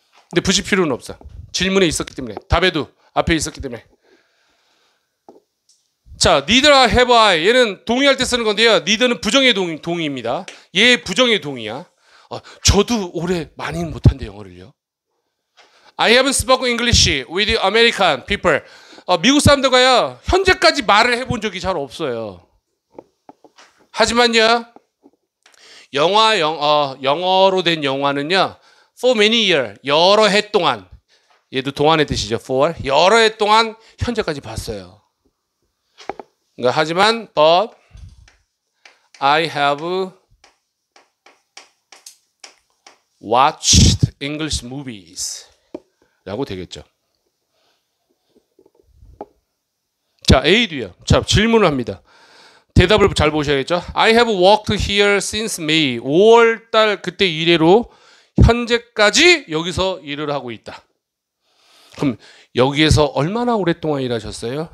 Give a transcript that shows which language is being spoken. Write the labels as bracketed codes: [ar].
[ko] 근데 붙일 필요는 없어. 질문에 있었기 때문에. 답에도 앞에 있었기 때문에. [en] 자, neither I have I. [ko] 얘는 동의할 때 쓰는 건데요. neither는 부정의 동의입니다. 얘 부정의 동의야. 저도 올해 많이 못한대, 영어를요. [en] I haven't spoken English with American people. [ko] 미국 사람들과요, 현재까지 말을 해본 적이 잘 없어요. 하지만요, 영어로 된 영화는요, [en] for many years, [ko] 여러 해 동안, 얘도 동안의 뜻이죠, for, 여러 해 동안 현재까지 봤어요. 그러니까 하지만, [en] but I have watched English movies. [ko] 라고 되겠죠. 자, A도요. 자, 질문을 합니다. 대답을 잘 보셔야겠죠. [en] I have walked here since May. [ko] 5월 달 그때 이래로 현재까지 여기서 일을 하고 있다. 그럼 여기에서 얼마나 오랫동안 일하셨어요?